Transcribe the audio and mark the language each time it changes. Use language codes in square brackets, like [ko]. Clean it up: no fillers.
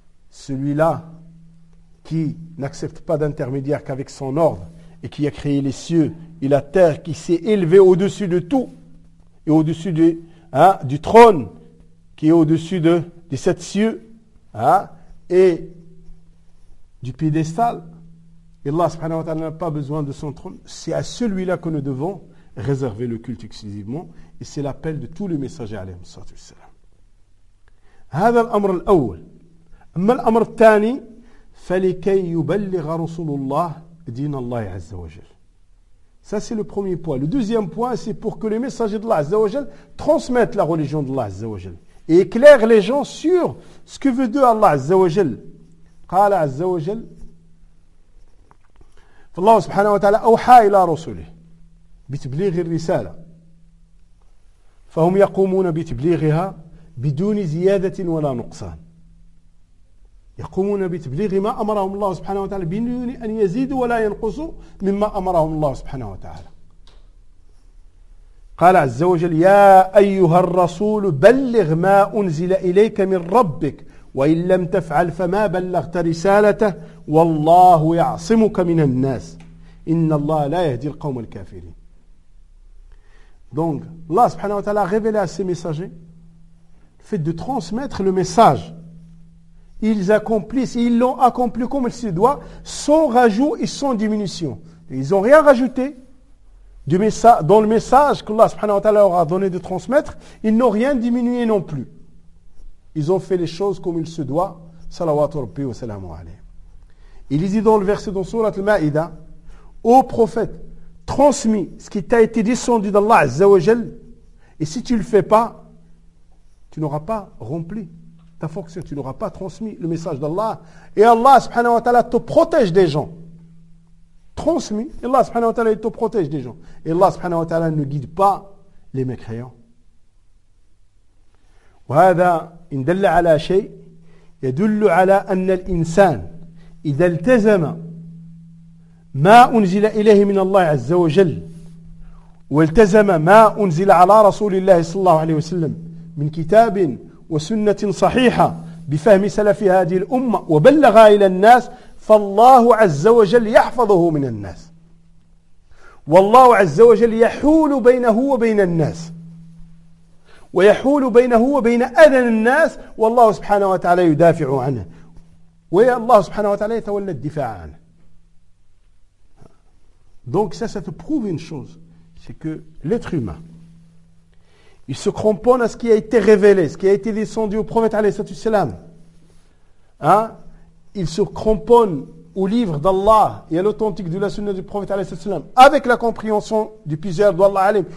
[fr] Celui-là qui n'accepte pas d'intermédiaire qu'avec son ordre et qui a créé les cieux et la terre, qui s'est élevé au-dessus de tout et au-dessus du trône, qui est au-dessus des sept cieux et du piédestal. Et Allah subhanahu wa ta'ala n'a pas besoin de son trône. C'est à celui-là que nous devons réserver le culte exclusivement. Et c'est l'appel de tous les messagers, alayhi salatu wa salam. [ar] هذا الأمر الأول. أما الأمر الثاني فلكي يبلغ رسول الله دين الله عز وجل. [fr] Ça c'est le premier point. Le deuxième point, c'est pour que les messagers d'Allah azza wa jal transmettent la religion d'Allah azza wa jal. Et éclaire les gens sur ce que veut Dieu Allah Azza wa Jal. [ar] قال عز وجل فالله سبحانه وتعالى أوحى إلى رسله بتبليغ الرسالة فهم يقومون بتبليغها بدون زيادة ولا نقصان يقومون بتبليغ ما أمرهم الله سبحانه وتعالى بدون أن يزيدوا ولا ينقصوا مما أمرهم الله سبحانه وتعالى قال عز وجل يا أيها الرسول بلغ ما أنزل إليك من ربك وإن لم تفعل فما بلغت رسالته والله يعصمك من الناس إن الله لا يهدي القوم الكافرين [fr] Donc Allah subhanahu wa ta'ala a révélé à ses messagers le fait de transmettre le message. Ils accomplissent, ils l'ont accompli comme il se doit, sans rajout et sans diminution. Ils n'ont rien rajouté dans le message qu'Allah subhanahu wa ta'ala aura donné de transmettre, ils n'ont rien diminué non plus. Ils ont fait les choses comme il se doit. Salawatu Rabbi wa salamu alayhi. Il dit dans le verset dans Surat Al-Ma'ida, ô prophète, transmis ce qui t'a été descendu d'Allah Azza wa Jal, et si tu ne le fais pas, tu n'auras pas rempli ta fonction, tu n'auras pas transmis le message d'Allah. Et Allah subhanahu wa ta'ala te protège des gens. Transmis, Allah subhanahu wa ta'ala te protège des gens. Et Allah subhanahu wa ta'ala ne guide pas les mécréants. [ar] وهذا إن دل على شيء يدل على أن الإنسان إذا التزم ما أنزل إليه من الله عز وجل والتزم ما أنزل على رسول الله صلى الله عليه وسلم من كتاب وسنة صحيحة بفهم سلف هذه الأمة وبلغها إلى الناس فالله عز وجل يحفظه من الناس والله عز وجل يحول بينه وبين الناس ويحول بينه وبين أذى الناس والله سبحانه وتعالى يدافع عنه والله سبحانه وتعالى يتولى الدفاع عنه. [fr] Donc ça, ça te prouve une chose, c'est que l'être humain, il se cramponne à ce qui a été révélé, ce qui a été descendu au prophète عليه الصلاة والسلام. Hein? Il se cramponne au livre d'Allah et à l'authentique de la sunna du prophète عليه الصلاة والسلام avec la compréhension du plusieurs d'Allah alim.